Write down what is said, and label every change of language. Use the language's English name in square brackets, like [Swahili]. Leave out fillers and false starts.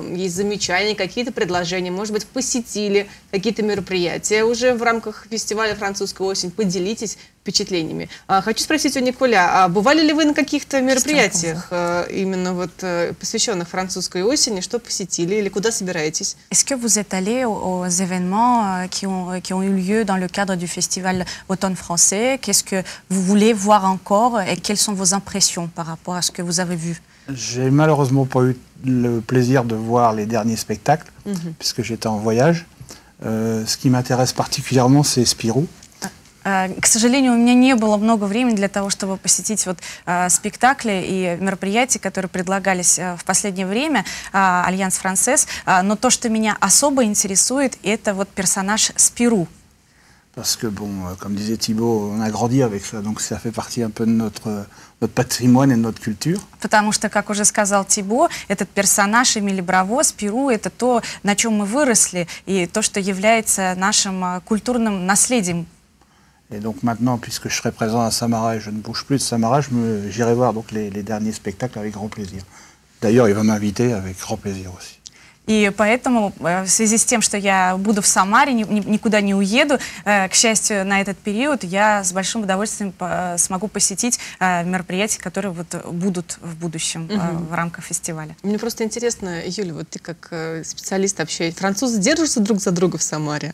[Russian] есть замечания, какие-то предложения, может быть, посетили какие-то мероприятия уже в рамках фестиваля «Французская осень», поделитесь впечатлениями. Хочу спросить у Николя, а бывали ли вы на каких-то мероприятиях, именно вот посвященных «Французской осени», что посетили или куда собираетесь? [French] Est-ce que vous êtes allé aux événements qui ont eu lieu dans le cadre du festival automne français? Qu'est-ce que vous voulez voir encore et quelles sont vos impressions par rapport à ce que vous avez vu? J'ai malheureusement pas eu le plaisir de voir les derniers spectacles, mm-hmm. puisque j'étais en voyage. Ce qui m'intéresse particulièrement, c'est Spirou. [Russian] К сожалению, у меня не было много времени для того, чтобы посетить вот, спектакли и мероприятия, которые предлагались в последнее время Альянс Францез. Но то, что меня особо интересует, это вот персонаж Спирou. [French] Parce que, bon, comme disait Thibault, on a grandi avec ça, donc ça fait partie un peu de notre patrimoine et de notre culture. [Russian] Потому что, как уже сказал Тибо, этот персонаж Эмили Браво, Спирou, это то, на чем мы выросли, и то, что является нашим культурным наследием. [French] Et donc maintenant, puisque je serai présent à Samara et je ne bouge plus de Samara, j'irai voir donc les derniers spectacles avec grand plaisir. D'ailleurs, il va m'inviter avec grand plaisir aussi. [Russian] И поэтому, в связи с тем, что я буду в Самаре, никуда не уеду, к счастью, на этот период я с большим удовольствием смогу посетить мероприятия, которые вот будут в будущем в рамках фестиваля. Мне просто интересно, Юля, вот ты как специалист общаешься, французы держатся друг за друга в Самаре?